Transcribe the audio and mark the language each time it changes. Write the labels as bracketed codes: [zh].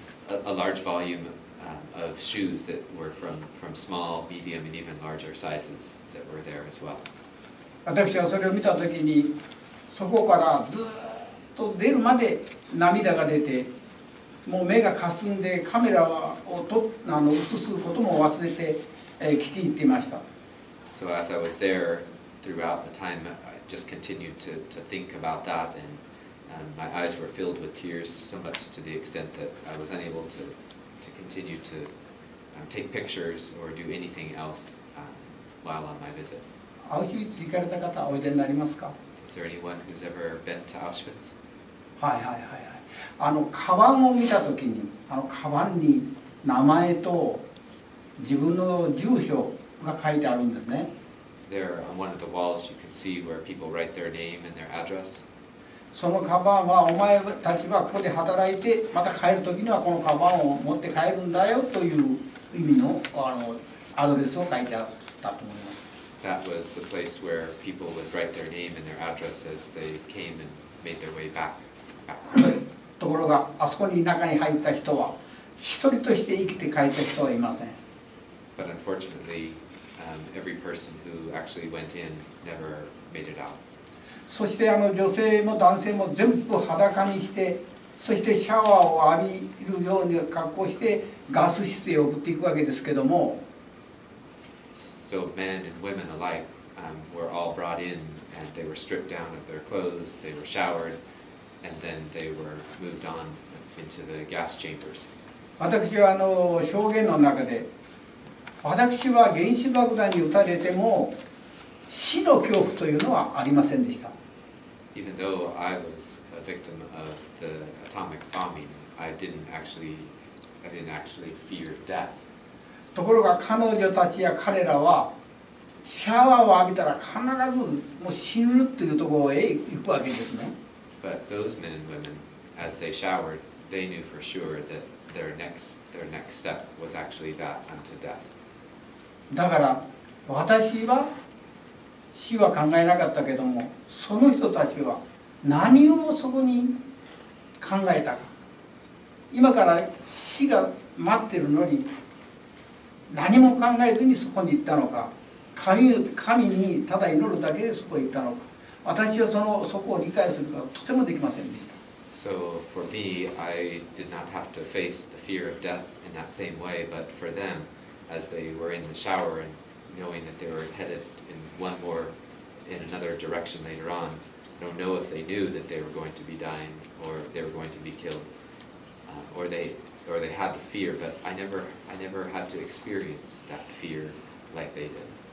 [en] A large volume. Of shoes that were from small, medium, and even larger sizes that were there as well. [ja] 私はそれを見たときに、そこからずっと出るまで涙が出て、もう目がかすんでカメラを映すことも忘れて、聞き入っていました。 [en] So as I was there throughout the time, I just continued to think about that and my eyes were filled with tears so much to the extent that I was unable to. Continue to take pictures or do anything else while on my visit. [ja] Auschwitz 行かれた方おいでになりますか? [en] Is there anyone who's ever been to Auschwitz? [ja] はいはいはいはい。あのカバンを見たときに、あのカバンに名前と自分の住所が書いてあるんですね。 [en] There on one of the walls you can see where people write their name and their address. [ja] そのカバンはお前たちはここで働いてまた帰るときにはこのカバンを持って帰るんだよという意味 のアドレスを書いてあったと思います。 [en] That was the place where people would write their name and their address as they came and made their way back. [ja] ところがあそこに中に入った人は一人として生きて帰った人はいません。 [en] But unfortunately, every person who actually went in never made it out. [ja] そしてあの女性も男性も全部裸にして、そしてシャワーを浴びるように格好してガス室へ送っていくわけですけども。 [en] So men and women alike were all brought in and they were stripped down of their clothes, they were showered, and then they were moved on into the gas chambers. [ja] 私はあの証言の中で、私は原子爆弾に撃たれても死の恐怖というのはありませんでした。 [en] Even though I was a victim of the atomic bombing, I didn't actually fear death. [ja] ところが彼女たちや彼らはシャワーを浴びたら必ずもう死ぬというところへ行くわけですね。 [en] But those men and women, as they showered, they knew for sure that their next step was actually that unto death. [ja] だから私は死は考えなかったけども、その人たちは何をそこに考えたか。今から死が待ってるのに何も考えずにそこに行ったのか、神にただ祈るだけでそこに行ったのか、私はそこを理解するのはとてもできませんでした。 [en] So for me, I did not have to face the fear of death in that same way, but for them, as they were in the shower and knowing that they were headed in one more, in another direction later on, I don't know if they knew that they were going to be dying or they were going to be killed, or they had the fear, but I never had to experience that fear like they did.